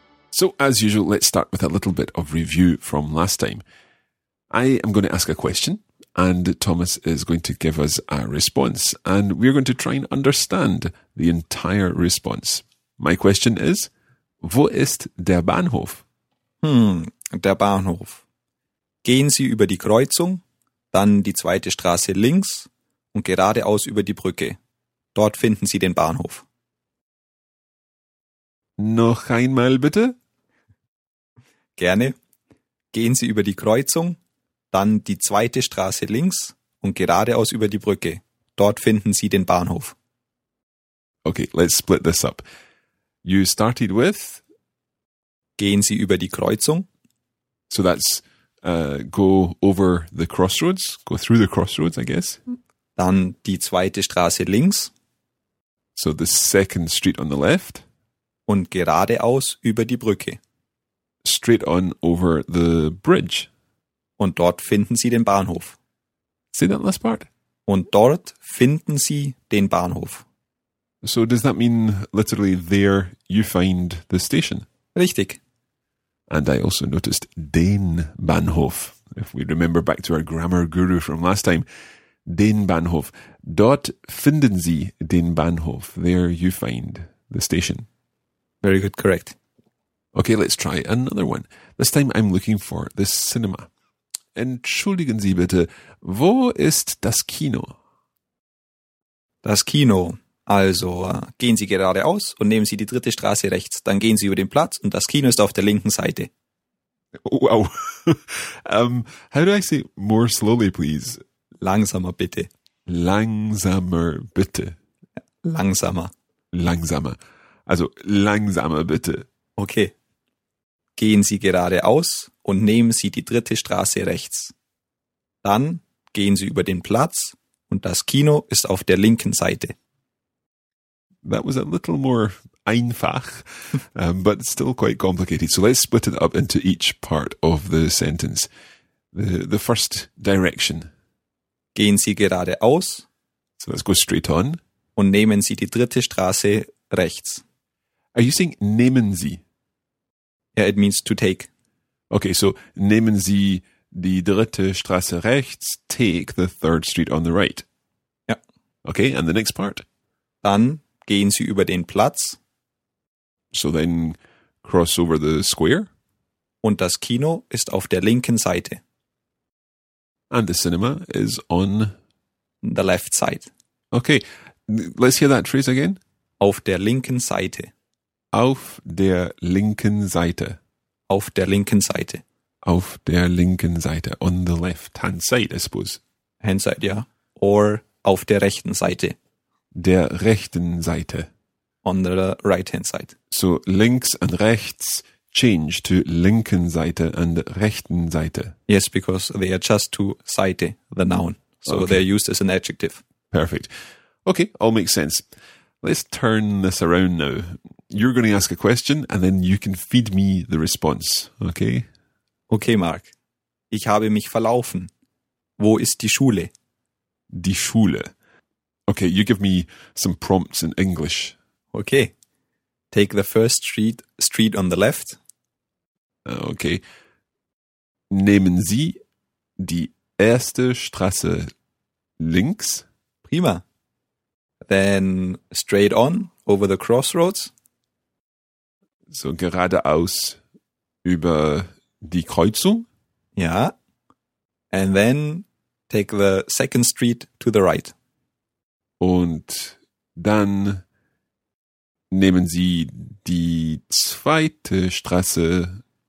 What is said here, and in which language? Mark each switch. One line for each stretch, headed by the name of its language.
English: So, as usual, let's start with a little bit of review from last time. I am going to ask a question, and Thomas is going to give us a response, and we're going to try and understand the entire response. My question is,
German: wo ist der Bahnhof? Der Bahnhof. Gehen Sie über die Kreuzung, dann die zweite Straße links und geradeaus über die Brücke. Dort finden Sie den Bahnhof. Noch einmal bitte? Gerne. Gehen Sie über die Kreuzung, dann die zweite Straße links und geradeaus über die Brücke. Dort finden Sie den Bahnhof.
English: Okay, let's split this up. You started with...
German: Gehen Sie über die Kreuzung.
English: So that's go over the crossroads, go through the crossroads, I guess.
German: Dann die zweite Straße links.
English: So the second street on the left.
German: Und geradeaus über die Brücke.
English: Straight on over the bridge.
German: Und dort finden Sie den Bahnhof.
English: Say that last part.
German: Und dort finden Sie den Bahnhof.
English: So does that mean literally there you find the station?
German: Richtig.
English: And I also noticed
German: den Bahnhof.
English: If we remember back to our grammar guru from last time.
German: Den Bahnhof. Dort finden Sie den Bahnhof.
English: There you find the station. Very good, correct. Okay, let's try another one. This time I'm looking for the cinema.
German: Entschuldigen Sie bitte, wo ist das Kino? Das Kino. Also, gehen Sie geradeaus und nehmen Sie die dritte Straße rechts. Dann gehen Sie über den Platz und das Kino ist auf der linken Seite.
English: Wow. how do I say more slowly, please?
German: Langsamer bitte. Langsamer bitte. Langsamer. Langsamer. Also, langsamer bitte.
English: Okay.
German: Gehen Sie geradeaus und nehmen Sie die dritte Straße rechts. Dann gehen Sie über den Platz und das Kino ist auf der linken Seite.
English: That was a little more einfach, but still quite complicated. So let's split it up into each part of the sentence. The first direction.
German: Gehen Sie geradeaus.
English: So let's go straight on.
German: Und nehmen Sie die dritte Straße rechts.
English: Are you saying
German: nehmen Sie?
English: Yeah, it means to take. Okay, so
German: nehmen Sie die dritte Straße rechts,
English: take the third street on the right. Yeah. Okay, and the next part?
German: Dann gehen Sie über den Platz.
English: So then cross over the square.
German: Und das Kino ist auf der linken Seite.
English: And the cinema is on... the left side. Okay, let's hear that phrase again.
German: Auf der linken Seite. Auf der linken Seite. Auf der linken Seite. Auf der linken Seite.
English: On the left hand side, I suppose. Hand side, yeah.
German: Or auf der rechten Seite. Der rechten Seite.
English: On the right hand side. So links and rechts change to
German: linken Seite
English: and
German: rechten Seite.
English: Yes, because they are just to Seite, the noun. So okay. They're used as an adjective. Perfect. Okay, all makes sense. Let's turn this around now. You're going to ask a question and then you can feed me the response, okay? Okay, Mark.
German: Ich habe mich verlaufen. Wo ist die Schule? Die Schule.
English: Okay, you give me some prompts in English. Okay. Take the first street on the left. Okay.
German: Nehmen Sie die erste Straße links. Prima.
English: Then straight on over the crossroads.
German: So geradeaus über die Kreuzung. Ja.
English: And then take the second street to the right.
German: Und dann nehmen Sie die zweite Straße.